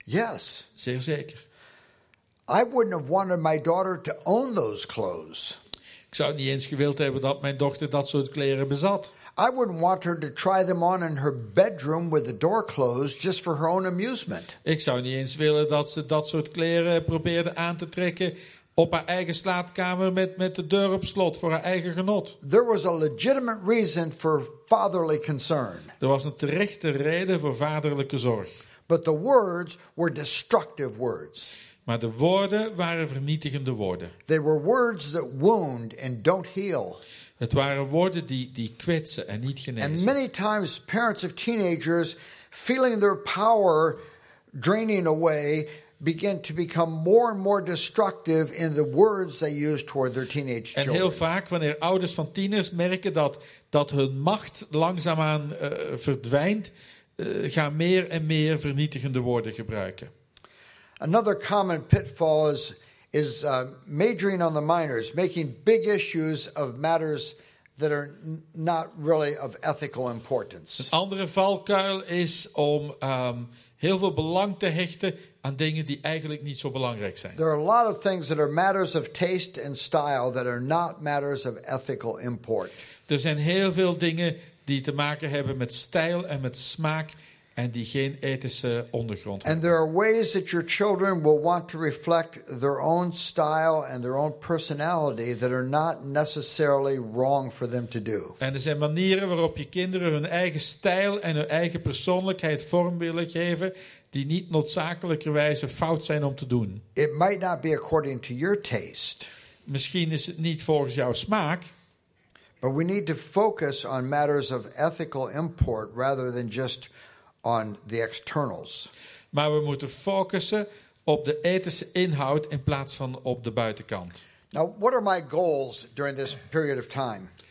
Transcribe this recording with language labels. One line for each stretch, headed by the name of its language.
English: Yes.
Dutch: Zeer zeker.
English: I wouldn't have wanted my daughter to own those clothes.
Dutch: Ik zou niet eens gewild hebben dat mijn dochter dat soort kleren bezat.
English: I wouldn't want her to try them on in her bedroom with the door closed just for her own amusement.
Dutch: Ik zou niet eens willen dat ze dat soort kleren probeerde aan te trekken op haar eigen slaapkamer met de deur op slot voor haar eigen genot.
English: There was a legitimate reason for fatherly concern.
Dutch: Er was een terechte reden voor vaderlijke zorg.
English: But the words were destructive words.
Dutch: Maar de woorden waren vernietigende woorden.
English: They were words that wound and don't heal.
Dutch: Het waren woorden die kwetsen en niet genezen.
English: And many times parents of teenagers feeling their power draining away begin to become more and more destructive in the words they use toward their teenage children.
Dutch: En heel vaak wanneer ouders van tieners merken dat hun macht langzaamaan verdwijnt, gaan meer en meer vernietigende woorden gebruiken.
English: Another common pitfall is majoring on the minors, making big issues of matters that are not really of ethical importance.
Dutch: Een andere valkuil is om heel veel belang te hechten aan dingen die eigenlijk niet zo belangrijk zijn.
English: There are a lot of things that are matters of taste and style that are not matters of ethical import.
Dutch: Er zijn heel veel dingen die te maken hebben met stijl en met smaak en die geen ethische ondergrond hebben.
English: And there are ways that your children will want to reflect their own style and their own personality that are not necessarily wrong for them to do.
Dutch: En er zijn manieren waarop je kinderen hun eigen stijl en hun eigen persoonlijkheid vorm willen geven die niet noodzakelijkerwijze fout zijn om te doen.
English: It might not be according to your taste.
Dutch: Misschien is het niet volgens jouw smaak.
English: But we need to focus on matters of ethical import rather than just on the externals.
Dutch: Maar we moeten focussen op de ethische inhoud in plaats van op de buitenkant.
English: Now, what are my goals during this period of time?